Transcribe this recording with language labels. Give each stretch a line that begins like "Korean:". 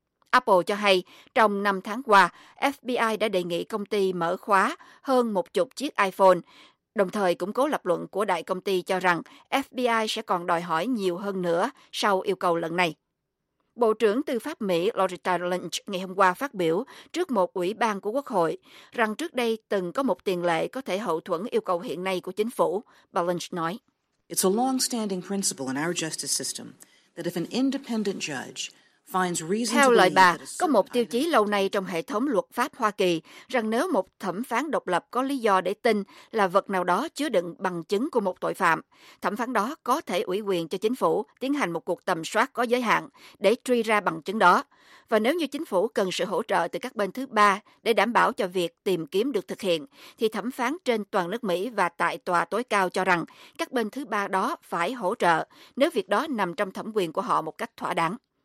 Vietnamese: Apple cho hay, trong 5 tháng qua, FBI đã đề nghị công ty mở khóa hơn 10 chiếc iPhone, đồng thời củng cố lập luận của đại công ty cho rằng FBI sẽ còn đòi hỏi nhiều hơn nữa sau yêu cầu lần này. Bộ trưởng Tư pháp Mỹ Loretta Lynch ngày hôm qua phát biểu trước một ủy ban của Quốc hội rằng trước đây từng có một tiền lệ có thể hậu thuẫn yêu cầu hiện nay của chính phủ, bà Lynch nói.
English: It's a long-standing principle in our justice system that if an independent judge finds reason to believe that a certain item...
Vietnamese: Có một tiêu chí lâu nay trong hệ thống luật pháp Hoa Kỳ rằng nếu một thẩm phán độc lập có lý do để tin là vật nào đó chứa đựng bằng chứng của một tội phạm, thẩm phán đó có thể ủy quyền cho chính phủ tiến hành một cuộc tầm soát có giới hạn để truy ra bằng chứng đó. và nếu như chính phủ cần sự hỗ trợ từ các bên thứ ba để đảm bảo cho việc tìm kiếm được thực hiện, thì thẩm phán trên toàn nước Mỹ và tại tòa tối cao cho rằng các bên thứ ba đó phải hỗ trợ nếu việc đó nằm trong thẩm quyền của họ một cách thỏa đáng.